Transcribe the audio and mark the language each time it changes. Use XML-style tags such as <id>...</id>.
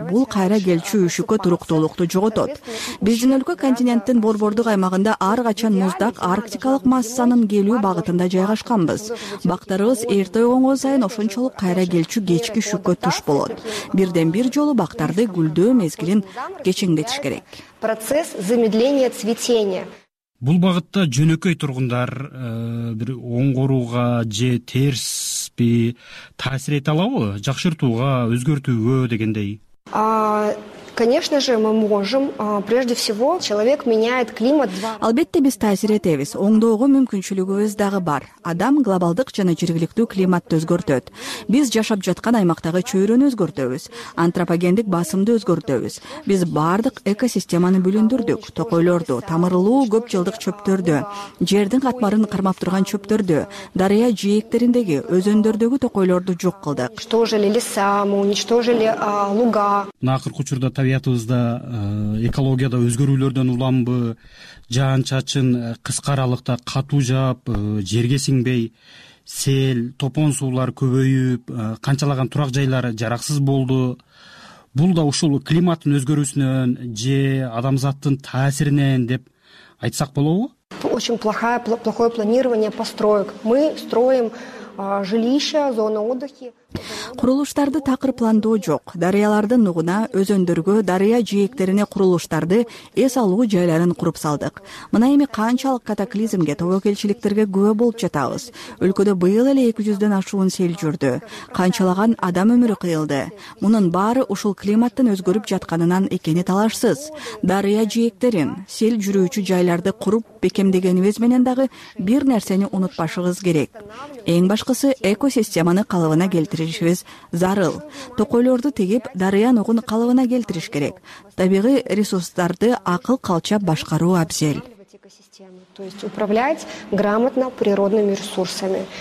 <ky>Бул кайра келчү үшүккө туруктуулукту жоготот. Биздин өлкө континенттин борбордук аймагында ар качан муздак арктикалык массанын келүү багытында жайгашканбыз. Бактарыбыз эрте ойгонгон сайын ошончолук кайра келчү кечки үшүккө туш болот. Бирден бир жолу бактарды гүлдөө мезгилин кечиңдетиш керек.</ky> <ru>Процесс замедления цветения.</ru> <ky>Бул багытта жөнөкөй тургундар бир оңгорууга же терспи таасир эте алабы? Жакшыртууга, өзгөртүүгө дегендей.</ky> <ru>Конечно же, мы можем. Прежде всего, человек меняет климат.</ru> <ky>Албетте биз таасир этебиз. Оңдоого мүмкүнчүлүгүбүз дагы бар. Адам глобалдык жана жергиликтүү климатты өзгөртөт. Биз жашап жаткан аймактагы чөйрөнү өзгөртөбүз. Антропогендик басымды өзгөртөбүз. Биз бардык экосистеманы бөлүндүрдүк. Токойлорду, тамырлуу көп жылдык чөптөрдү, жердин катмарын кармап турган чөптөрдү, дарыя жээктериндеги, өзөндөрдөгү токойлорду жок кылдык.</ky> <ru>Уничтожили леса, мы уничтожили луга.</ru> <ky>Акыркы учурда табиятыбызда экологияда өзгөрүүлөрдөн уламбы, жаан чачын кыска аралыкта катуу жаап, жерге сиңбей, сел, топон суулар көбөйүп, канчалаган турак жайлар жараксыз болду. Бул да ушул климаттын өзгөрүүсүнөн же адамзаттын таасиринен деп айтсак болобу?</ky> <ru>Очень плохое планирование построек. Мы строим жилища, зона отдыха.</ru> <ky>Курулуштарды такыр пландоо жок. Дарыялардын нугуна, өзөндөргө, дарыя жээктерине курулуштарды, эс алуу жайларын куруп салдык. Мына эми канчалык катаклизмге, тобокелчиликтерге күбө болуп жатабыз. Өлкөдө быйыл эле 200-дөн ашуун сел жүрдү. Канчалаган адам өмүрү кыйылды. Мунун баары ушул климаттын өзгөрүп жатканынан экени талашсыз. Дарыя жээктерин, сел жүрүүчү жайларды куруп бекемдегенибиз менен дагы бир нерсени унутпашыбыз керек. Эң башкысы экосистеманы калыбына келтиришибиз зарыл. Токойлорду тегип, дарыя нугун калыбына келтириш керек. Табигый ресурстарды акыл калчап башкаруу абзел.</ky> <ru>То есть управлять грамотно природными ресурсами.</ru>